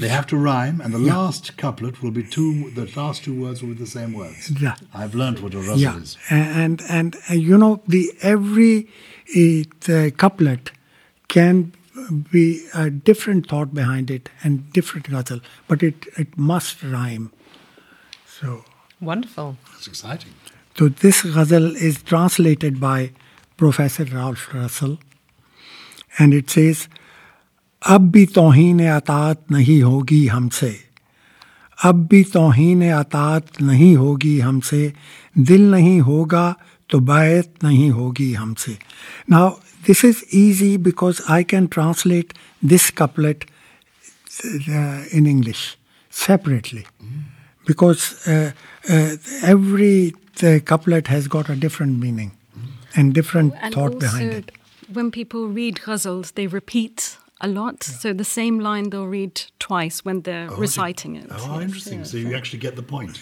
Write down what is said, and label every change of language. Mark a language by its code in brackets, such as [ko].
[en] they have to rhyme, and the last couplet will be two. The last two words will be the same words. Yeah. I've learned what a ghazal is. And you know, the couplet can be a different thought behind it and different ghazal, but it must rhyme. So wonderful. That's exciting. [ur] So this ghazal is translated by Professor Ralph Russell, and it says, اب بھی توہین اطاعت نہیں ہوگی ہم سے اب بھی توہین اطاعت نہیں ہوگی ہم سے دل نہیں ہوگا تو بیعت نہیں ہوگی ہم سے [en] Now, this is easy because I can translate this couplet in English separately. Because every couplet has got a different meaning and different thought behind it. When people read ghazals, they repeat a lot. Yeah. So the same line they'll read twice when they're reciting it. Oh, yes. Interesting. Yeah. So you actually get the point.